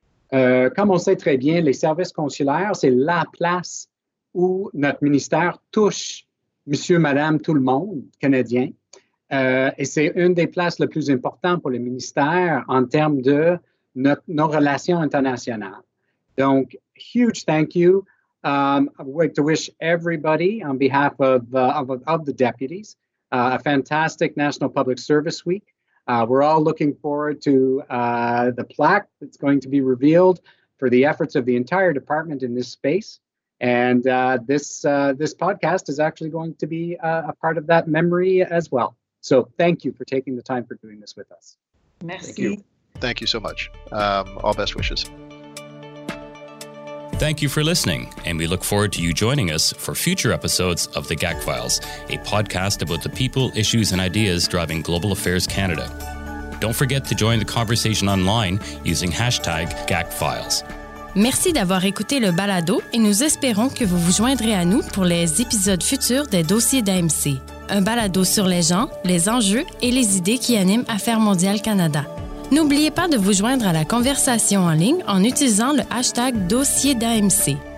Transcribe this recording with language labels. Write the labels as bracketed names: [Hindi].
[French] Comme on sait très bien, les services consulaires, c'est la place où notre ministère touche monsieur, madame, tout le monde canadien. Et c'est une des places les plus importantes pour le ministère en termes de nos relations internationales. Donc, [English] huge thank you. I would like to wish everybody on behalf of the deputies a fantastic National Public Service Week. We're all looking forward to the plaque that's going to be revealed for the efforts of the entire department in this space. And this podcast is actually going to be a part of that memory as well. So thank you for taking the time for doing this with us. [French] Merci. [English] Thank you so much. All best wishes. Thank you for listening, and we look forward to you joining us for future episodes of The GAC Files, a podcast about the people, issues, and ideas driving Global Affairs Canada. Don't forget to join the conversation online using hashtag GACFiles. [French] Merci d'avoir écouté le balado, et nous espérons que vous vous joindrez à nous pour les épisodes futurs des dossiers d'AMC. Un balado sur les gens, les enjeux et les idées qui animent Affaires mondiales Canada. N'oubliez pas de vous joindre à la conversation en ligne en utilisant le hashtag dossier d'AMC.